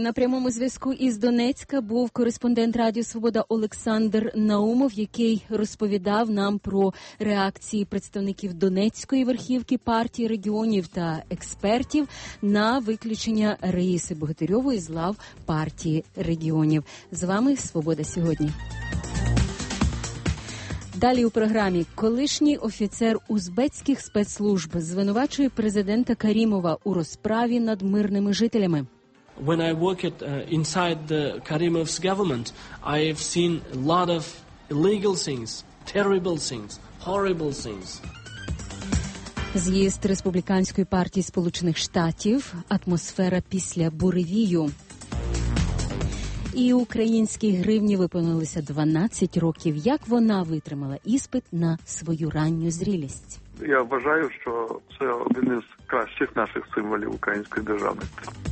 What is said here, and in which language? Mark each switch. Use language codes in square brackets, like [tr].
[uk] На прямому зв'язку із Донецька був кореспондент Радіо Свобода Олександр Наумов, який розповідав нам про реакції представників Донецької верхівки партії регіонів та експертів на виключення Раїси Богатирьової з лав партії регіонів. З вами «Свобода сьогодні». Далі у програмі. Колишній офіцер узбецьких спецслужб звинувачує президента Карімова у розправі над мирними жителями. [en] When I work at inside the Karimov's government, I have seen a lot of illegal things, terrible things, horrible things. [uk] З'їзд Республіканської партії Сполучених Штатів. Атмосфера після буревію. І українській гривні виповнилося 12 років. Як вона витримала іспит на свою ранню зрілість? Я вважаю, що це один із кращих наших символів української державності.